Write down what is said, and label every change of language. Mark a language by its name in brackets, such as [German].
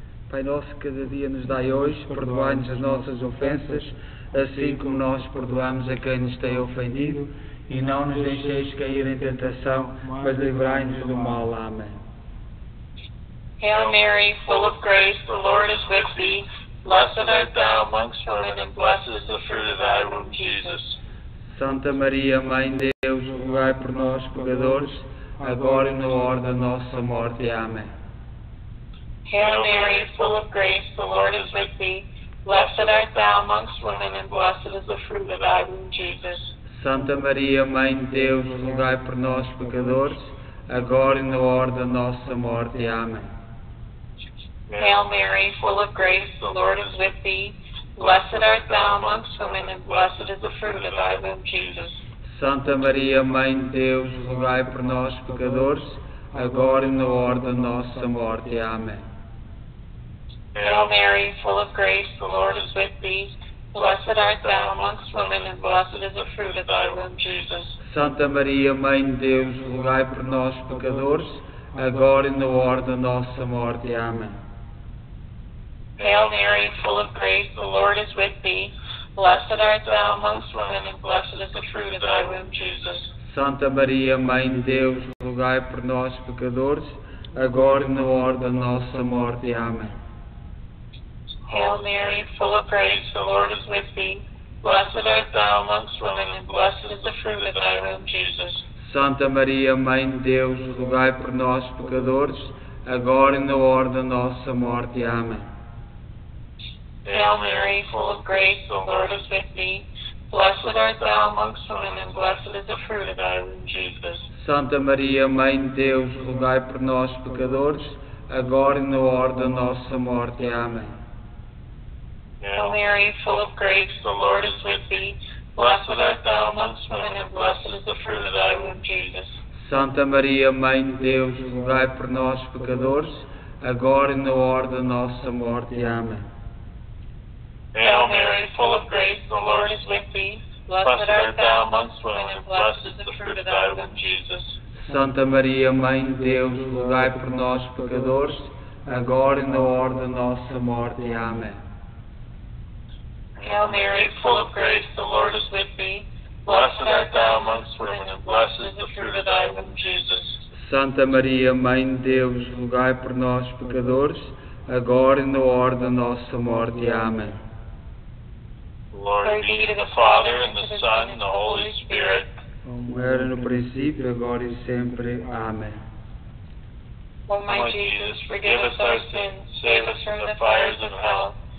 [Portuguese] Pai nosso, cada dia nos dai hoje, perdoai-nos as nossas ofensas, assim como nós perdoamos a quem nos tem ofendido, e não nos deixeis cair em tentação, mas livrai-nos do mal. Amém. [English] Hail Mary, full of grace, the Lord is with thee. Blessed art thou amongst women, and blessed is the fruit of thy womb, Jesus. [Portuguese] Santa Maria, Mãe de Deus, rogai por nós, pecadores, agora e na hora da nossa morte. Amém. [English] Hail Mary, full of grace, the Lord is with thee. Blessed art thou amongst women, and blessed is the fruit of thy womb, Jesus. [Portuguese] Santa Maria, Mãe de Deus, rogai por nós, pecadores, agora e na hora da nossa morte. Amém. [English] Hail Mary, full of grace, the Lord is with thee. Blessed art thou amongst women, and blessed is the fruit of thy womb, Jesus. [Portuguese] Santa Maria, Mãe de Deus, rogai por nós, pecadores, agora e na hora da nossa morte. Amém. [English] Hail Mary, full of grace, the Lord is with thee. Blessed art thou amongst women, and blessed is the fruit of thy womb, Jesus. [Portuguese] Santa Maria, Mãe de Deus, rogai por nós, pecadores, agora e na hora da nossa morte. Amém. [English] Hail Mary, full of grace, the Lord is with thee. Blessed art thou amongst women, and blessed is the fruit of thy womb, Jesus. [Portuguese] Santa Maria, Mãe de Deus, rogai por nós, pecadores, agora e na hora da nossa morte. Amém. [English] Hail Mary, full of grace, the Lord is with thee. Blessed art thou amongst women, and blessed is the fruit of thy womb, Jesus. [Portuguese] Santa Maria, Mãe de Deus, rogai por nós, pecadores, agora e na hora da nossa morte. Amém. [English] Hail Mary, full of grace, the Lord is with thee. Blessed art thou amongst women, and blessed is the fruit of thy womb, Jesus. [Portuguese] Santa Maria, Mãe de Deus, rogai por nós, pecadores, agora e na hora da nossa morte. Amém. [English] Hail Mary, full of grace, the Lord is with thee. Blessed art thou amongst women, and blessed is the fruit of thy womb, Jesus. [Portuguese] Santa Maria, Mãe de Deus, rogai por nós, pecadores, agora e na hora da nossa morte. Amém. [English] Hail Mary, full of grace, the Lord is with thee. Blessed art thou amongst women, and blessed is the fruit of thy womb, Jesus. [Portuguese] Santa Maria, Mãe de Deus, rogai por nós, pecadores, agora e na hora da nossa morte. Amém. [English] Hail Mary, full of grace, the Lord is with thee. Blessed art thou amongst women, and blessed is the fruit of thy womb, Jesus. [Portuguese] Santa Maria, Mãe de Deus, rogai por nós, pecadores, agora e na hora da nossa morte. Amém. [English] Glory be to the Father, and the Son, and the Holy Spirit. [Portuguese] Como era no princípio, agora e sempre. Amém. [English] O my Jesus, forgive us our sins, save us from the fires of hell.